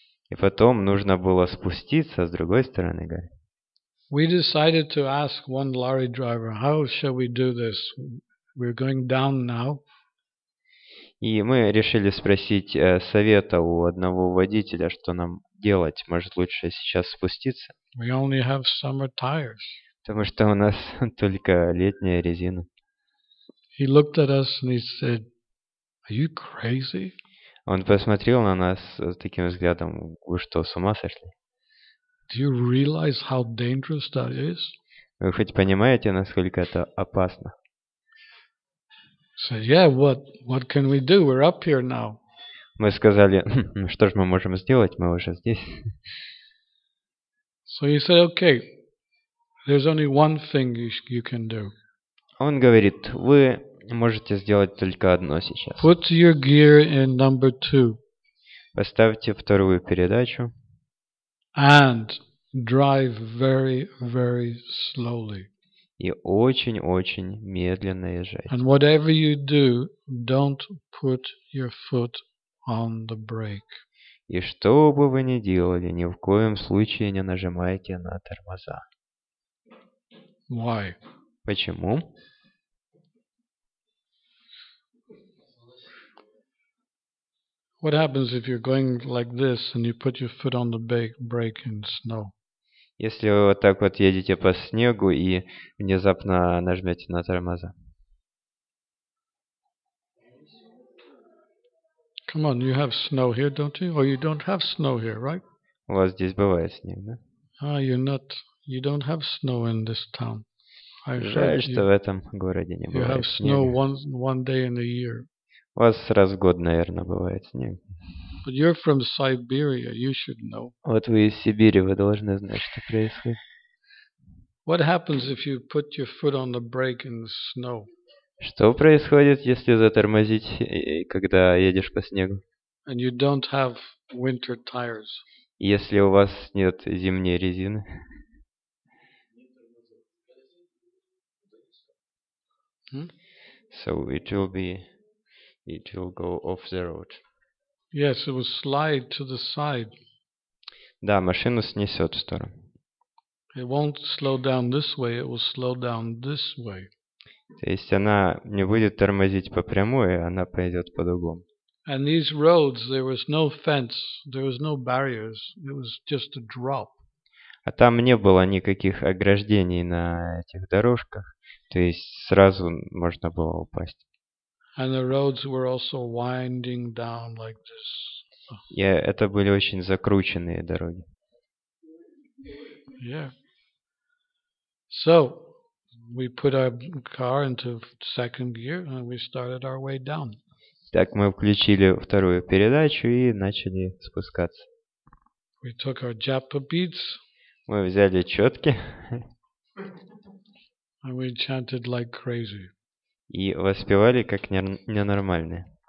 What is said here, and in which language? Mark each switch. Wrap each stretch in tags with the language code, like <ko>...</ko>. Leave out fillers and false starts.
<ru>И потом нужно было спуститься с другой стороны горы.</ru> <en>We decided to ask one lorry driver, how shall we do this? We're going down now.</en> <ru>И мы решили спросить совета у одного водителя, что нам делать, может лучше сейчас спуститься.</ru> <en>We only have summer tires.</en> <ru>Потому что у нас только летняя резина.</ru> <en>He looked at us and he said, are you crazy?</en> <ru>Он посмотрел на нас с таким взглядом, вы что, с ума сошли?</ru> <en>Do you realize how dangerous that is?</en> <ru>Вы хоть понимаете, насколько это опасно?</ru> <en>So yeah, what can we do? We're up here now.</en> <ru>Мы сказали, что ж мы можем сделать? Мы уже здесь.</ru> <en>So he said, okay, there's only one thing you can do.</en> <ru>Он говорит, вы можете сделать только одно сейчас.</ru> <en>Put your gear in number two.</en> <ru>Поставьте вторую передачу.</ru> <en>And drive very, very slowly.</en> <ru>И очень-очень медленно езжайте.</ru> <en>And whatever you do, don't put your foot on the brake.</en> <ru>И что бы вы ни делали, ни в коем случае не нажимайте на тормоза.</ru> <en>Why?</en> <ru>Почему?</ru> <en>What happens if you're going like this and you put your foot on the brake in snow?</en> <ru>Если вы вот так вот едете по снегу и внезапно нажмете на тормоза.</ru> <en>Come on, you have snow here, don't you? Or you don't have snow here, right?</en> <ru>У вас здесь бывает снег, да?</ru> <en>Ah, you don't have snow in this town.</en> <ru>I Жаль, что you, в этом городе не бывает снега.</ru> <en>You have снег. Snow one day in a year.</en> <ru>У вас раз в год, наверное, бывает снег.</ru> <en>But you're from Siberia, you should know.</en> <ru>Вот вы из Сибири, вы должны знать, что происходит.</ru> <en>What happens if you put your foot on the brake in the snow?</en> <ru>Что происходит, если затормозить, когда едешь по снегу?</ru> <en>And you don't have winter tires.</en> <ru>Если у вас нет зимней резины.</ru> <en>So it will go off the road. Yes, it will slide to the side.</en> <ru>Да, машину снесет в сторону.</ru> <en>It won't slow down this way, it will slow down this way.</en> <ru>То есть она не будет тормозить по прямой, она пойдет под углом.</ru> <en>And these roads, there was no fence, there was no barriers, it was just a drop.</en> <ru>А там не было никаких ограждений на этих дорожках, то есть сразу можно было упасть.</ru> <en>And the roads were also winding down like this.</en> <ru>Yeah, это были очень закрученные дороги.</ru> <en>Yeah. So, we put our car into second gear and we started our way down.</en> <ru>Так мы включили вторую передачу и начали спускаться.</ru> <en>We took our japa beads.</en> <ru>Мы взяли чётки.</ru> <en>And we chanted like crazy.</en> <ru>И воспевали как ненормальные.</ru>